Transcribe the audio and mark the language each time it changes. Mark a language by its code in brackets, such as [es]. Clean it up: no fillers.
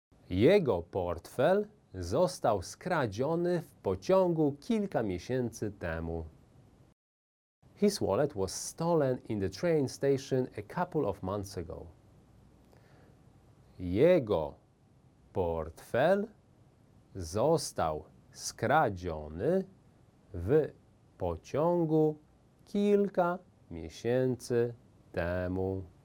[pl] Jego portfel został skradziony w pociągu kilka miesięcy temu. [en] His wallet was stolen in the train station a couple of months ago. [pl] Jego portfel został skradziony w pociągu kilka miesięcy temu.